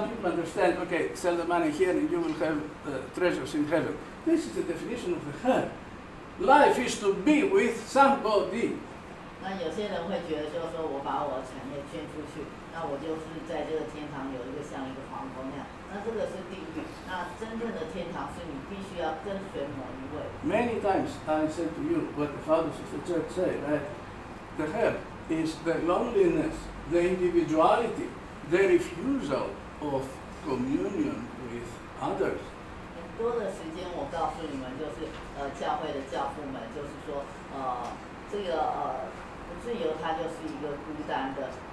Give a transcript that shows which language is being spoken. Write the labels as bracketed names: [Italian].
[English] Some people understand, okay, sell the money here and you will have treasures in heaven. This is the definition of the hell. Life is to be with somebody. [Chinese] 那有些人会觉得，就是说我把我的产业捐出去。那我就是在这个天堂有一个像一个皇宫那样，那这个是地狱。那真正的天堂是你必须要跟随某一位。 [English] Many times I said to you what the fathers of the church say, right? The hell is the loneliness, the individuality, the refusal of communion with others. [Chinese] 很多的时间我告诉你们，就是教会的教父们，就是说这个不自由，它就是一个孤单的。